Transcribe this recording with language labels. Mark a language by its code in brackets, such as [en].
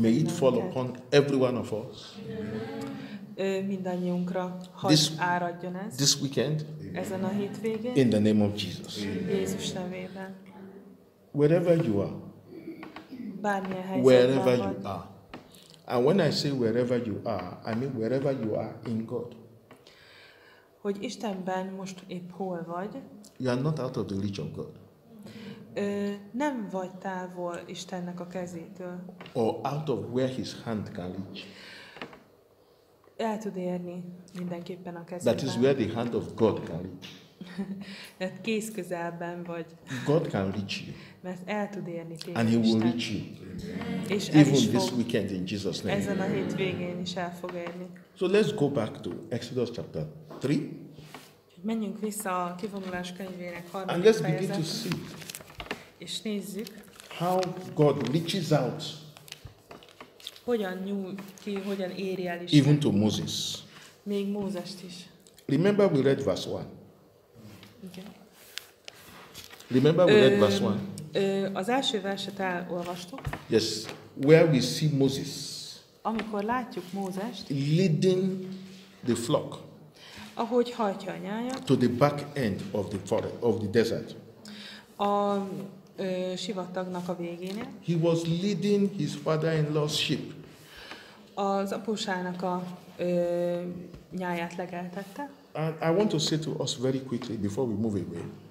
[en] May it fall upon every one of us. [hu] Mindannyiunkra, hadd áradjon ez. [en] This weekend. [hu] Ezen a hétvégén. [en] In the name of Jesus. [hu] Jézus nevében. [en] Wherever you are. [hu] Bármilyen helyzetben [en] wherever you are. And when I say wherever you are, I mean wherever you are in God. [hu] Hogy Istenben most épp hol vagy. [en] You are not out of the reach of God. [hu] Nem vagy távol Istennek a kezétől. [en] Or out of where his hand can reach. [hu] El tud érni mindenképpen a kezében. [en] That is where the hand of God can reach. [hu] Mert kéz közelben vagy. [en] God can reach you. [hu] Mert el tud érni téged. [en] And he will reach you. [hu] És [en] even this weekend in Jesus' name. [hu] Ezen a hétvégén is el fog érni. [en] So let's go back to Exodus chapter 3. [hu] Menjünk vissza a kivonulás könyvének 3. [en] And let's begin to see. [hu] És nézzük. [en] How God reaches out. [hu] Hogyan nyúl ki, hogyan éri el Isten. [en] Even to Moses. [hu] Még Mózest is. [en] Remember we read verse 1. Okay. Remember we read verse 1. [hu] Az első verset elolvastuk. [en] Yes, where we see Moses. [hu] Amikor látjuk Mózest. [en] Leading the flock. [hu] Ahogy hajtja a nyájat. [en] To the back end of the forest, of the desert. [hu] A sivatagnak a végénél. [en] He was leading his father-in-law's sheep. [hu] Az apósának a nyáját legeltette. [en] I want to say to us very quickly before we move away.